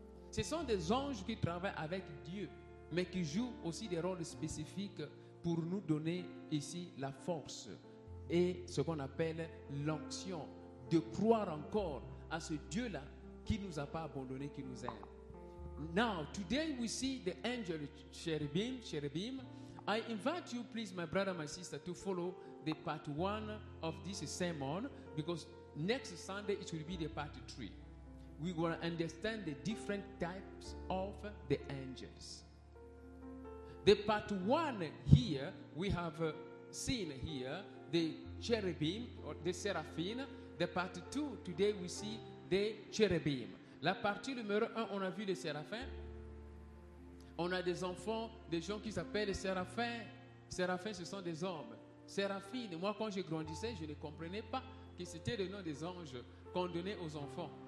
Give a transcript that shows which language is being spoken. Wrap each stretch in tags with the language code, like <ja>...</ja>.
<fr>Ce sont des anges qui travaillent avec Dieu, mais qui jouent aussi des rôles spécifiques pour nous donner ici la force et ce qu'on appelle l'onction, de croire encore à ce Dieu-là qui ne nous a pas abandonnés, qui nous aime.</fr> <en>Now, today we see the angel cherubim. I invite you, please, my brother, my sister, to follow the part one of this sermon, because next Sunday it will be the part three. We will understand the different types of the angels. The part one here, we have seen here the cherubim or the seraphim. The part two, today we see the cherubim.</en> <fr>La partie numéro 1, on a vu les séraphins. On a des enfants, des gens qui s'appellent les séraphins. Séraphins, ce sont des hommes. Séraphine, moi quand je grandissais, je ne comprenais pas que c'était le nom des anges qu'on donnait aux enfants.</fr>